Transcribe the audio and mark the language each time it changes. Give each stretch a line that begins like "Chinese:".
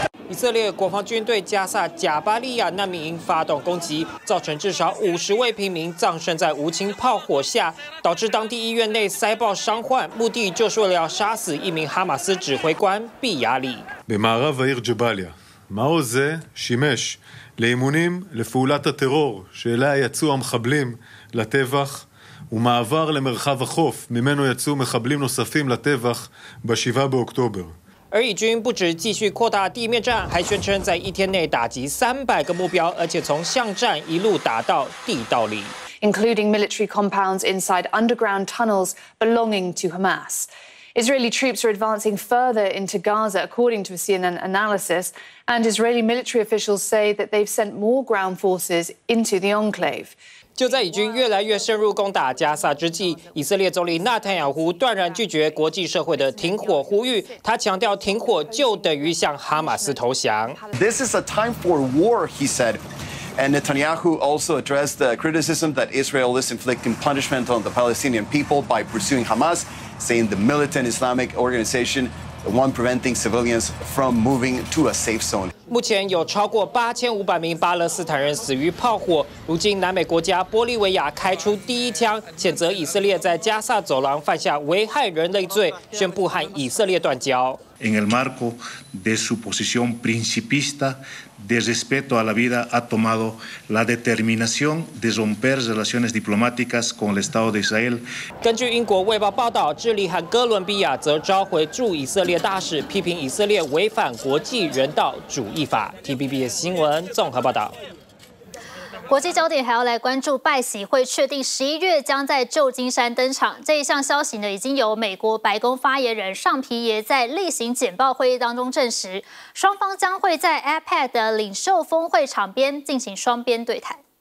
Chinese: 以色列国防军对加萨贾巴利亚难民营发动攻击，造成至少50位平民葬身在无情炮火下，导致当地医院内塞爆伤患，目的就是为了要杀死一名哈马斯指挥官毕亚里。
Hebrew: במערב העיר ג'באליה, מעוז זה שימש לאימונים לפעולת הטרור שאליה יצאו המחבלים לטבח ומעבר למרחב החוף ממנו יצאו מחבלים נוספים לטבח ב-7 באוקטובר.
Chinese: 而以军不止继续扩大地面战，还宣称在一天内打击300个目标，而且从巷战一路打到地道里
English: ，including military compounds inside underground tunnels belonging to Hamas. Israeli troops are advancing further into Gaza, according to a CNN analysis, and Israeli military officials say that they've sent more ground forces into the enclave.
Chinese: 就在以军越来越深入攻打加萨之际，以色列总理纳坦雅胡断然拒绝国际社会的停火呼吁。他强调，停火就等于向哈马斯投降。
English: This is a time for war, he said. And Netanyahu also addressed the criticism that Israel is inflicting punishment on the Palestinian people by pursuing Hamas, saying the militant Islamic organization. One preventing civilians from moving to a safe zone.
Chinese: 目前有超过8500名巴勒斯坦人死于炮火。如今，南美国家玻利维亚开出第一枪，谴责以色列在加萨走廊犯下危害人类罪，宣布和以色列断交。
Spanish: En el marco de su posición principista de respeto a la vida, ha tomado la determinación de romper relaciones diplomáticas con el Estado de Israel.
Chinese: 根据英国《卫报》报道，智利和哥伦比亚则召回驻以色列大使，批评以色列违反国际人道主义法。TVBS 新闻综合报道。国际焦点还要来关注拜习会确定11月将在旧金山登场这一项消息呢，已经由美国白宫发言人尚皮耶在例行简报会议当中证实，双方将会在 APEC 的领袖峰会场边进行双边对谈。